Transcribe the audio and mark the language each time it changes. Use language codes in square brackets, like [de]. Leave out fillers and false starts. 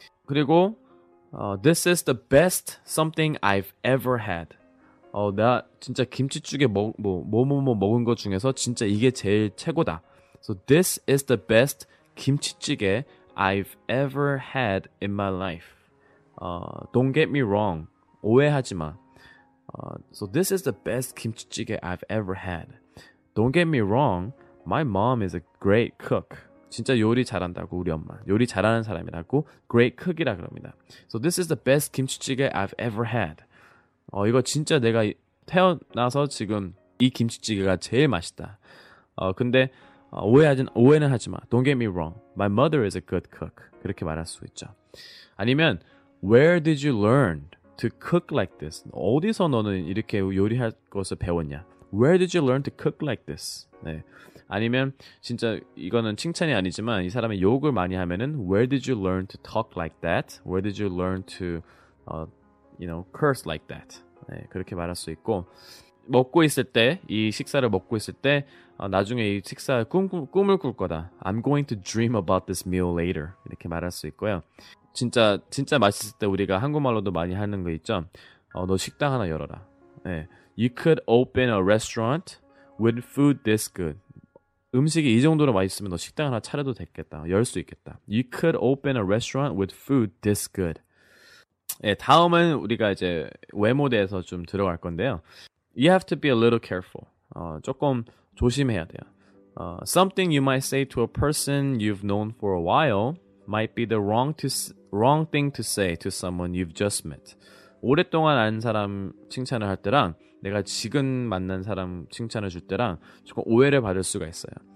[ko] 그리고 [en] this is the best something I've ever had. [ko] 나 진짜 김치찌개 뭐 먹은 것 중에서 진짜 이게 제일 최고다. [en] So this is the best 김치찌개 I've ever had in my life. Don't get me wrong. [ko] 오해하지 마. [en] So this is the best kimchi jjigae I've ever had. Don't get me wrong. My mom is a great cook. [ko] 진짜 요리 잘한다고 우리 엄마. 요리 잘하는 사람이라고 [en] great cook [ko] 이라 그럽니다. [en] So this is the best kimchi jjigae I've ever had. [ko] 이거 진짜 내가 태어나서 지금 이 김치찌개가 제일 맛있다. 근데 오해는 하지 마. [en] Don't get me wrong. My mother is a good cook. [ko] 그렇게 말할 수 있죠. [en] 아니면 Where did you learn to cook like this? [ko] 어디서 너는 이렇게 요리할 것을 배웠냐? [en] Where did you learn to cook like this? [ko] 네. 아니면 진짜 이거는 칭찬이 아니지만 이 사람이 욕을 많이 하면은 [en] Where did you learn to talk like that? Where did you learn to you know, curse like that? [ko] 네. 그렇게 말할 수 있고 먹고 있을 때 이 식사를 먹고 있을 때 나중에 이 식사 꿈을 꿀 거다. [en] I'm going to dream about this meal later. [ko] 이렇게 말할 수 있고요. 진짜 맛있을 때 우리가 한국말로도 많이 하는 거 있죠. 너 식당 하나 열어라. 네. [en] You could open a restaurant with food this good. [ko] 음식이 이 정도로 맛있으면 너 식당 하나 차려도 됐겠다. 열 수 있겠다. [en] You could open a restaurant with food this good. [ko] 네, 다음은 우리가 이제 외모 대해서 좀 들어갈 건데요. [en] You have to be a little careful. [ko] 조금 조심해야 돼요. [en] Something you might say to a person you've known for a while might be the wrong to wrong thing to say to someone you've just met. [ko] 오랫동안 안 사람 칭찬을 할 때랑 내가 지금 만난 사람 칭찬을 줄 때랑 조금 오해를 받을 수가 있어요.